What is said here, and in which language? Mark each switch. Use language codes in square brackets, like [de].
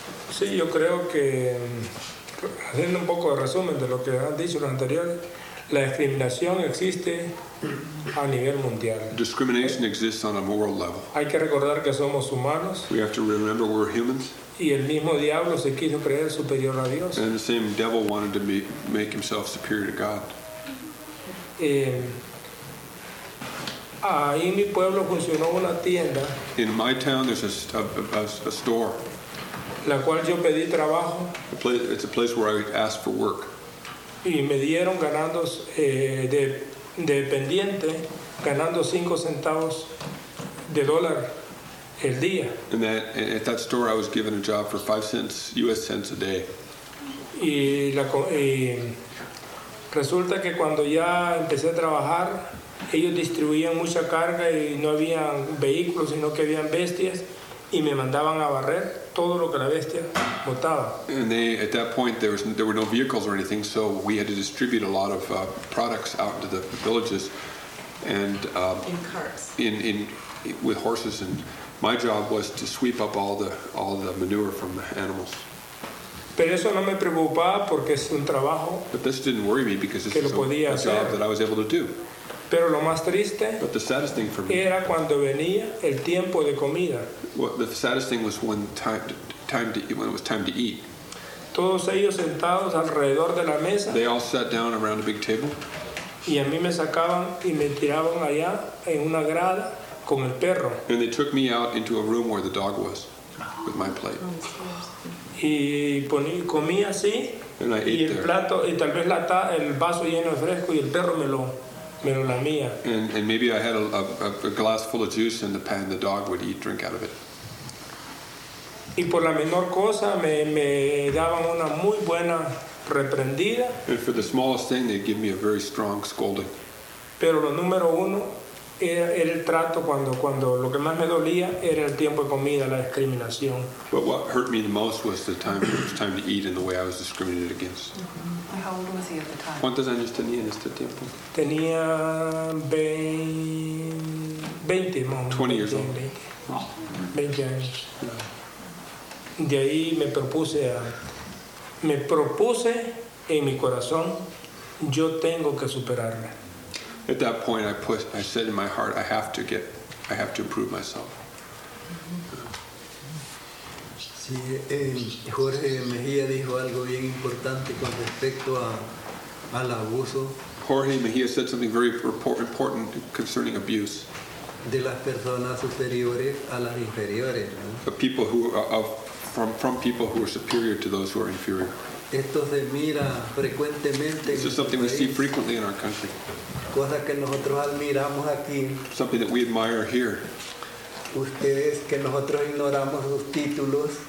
[es] Sí, yo creo que, haciendo un poco de resumen de lo que han dicho los anteriores, la discriminación existe a nivel mundial. [en] Discrimination exists on a moral level. [es] Hay que recordar que somos humanos. [en] We have to remember we're humans. [es] Y el mismo diablo se quiso creer superior a Dios. [en] And the same devil wanted to make himself superior to God. [es] Ahí en mi pueblo funcionó una tienda. [en] In my town there's a store. [es] La cual yo pedí trabajo. [en] It's a place where I asked for work. [es] Y me dieron ganados de dependiente, ganando 5 centavos de dólar el día. [en] And at that store I was given a job for 5 cents, US cents a day. [es] Y la, resulta que cuando ya empecé a trabajar, ellos distribuían mucha carga y no habían vehículos, sino que habían bestias, y me mandaban a barrer todo lo que la bestia botaba. [en] And they, at that point, there were no vehicles or anything, so we had to distribute a lot of products out to the villages. And in carts. In with horses, and my job was to sweep up all the manure from the animals. [es] Pero eso no me preocupaba porque es un trabajo. [en] But this didn't worry me because this was a job that I was able to do. [es] Pero lo más triste, [en] but the saddest thing for me, [es] era cuando venía el tiempo de comida. [en] Well, the saddest thing was when it was time to eat. [es] Todos ellos sentados alrededor de la mesa. [en] They all sat down around a big table. [es] Y a mí me sacaban y me tiraban allá en una grada con el perro. [en] And they took me out into a room where the dog was with my plate. [es] Y comí así, [en] and I ate [es] y el plato [en] there. [es] Y tal vez el vaso lleno de fresco y el perro me lo lamía. [en] And maybe I had a glass full of juice in the pan, the dog would eat, drink out of it. [es] Y por la menor cosa me daban una muy buena reprendida. [en] And for the smallest thing, they'd give me a very strong scolding. [es] Pero lo número uno era el trato cuando lo que más me dolía era el tiempo de comida, la discriminación. [en] But what hurt me the most was the time it was time to eat and the way I was discriminated against. Mm-hmm. How old was he at the time? [es] ¿Cuántos años tenía en este tiempo? Tenía 20 más o menos. [en] 20 years old. [es] 20 años. De ahí me propuse en mi corazón, yo tengo que superarme. [en] At that point, I said in my heart, I have to improve myself. [es] Sí, Jorge Mejía dijo algo bien importante con respecto al abuso. [en] Jorge Mejía said something very important concerning abuse. [es] De las personas superiores a las inferiores, ¿no? [en] The people who are from people who are superior to those who are inferior. [es] Esto se mira frecuentemente. [en] This is something we see frequently in our country. [es] Cosas que nosotros admiramos aquí. [en] Something that we admire here. [es] Ustedes que nosotros ignoramos sus títulos.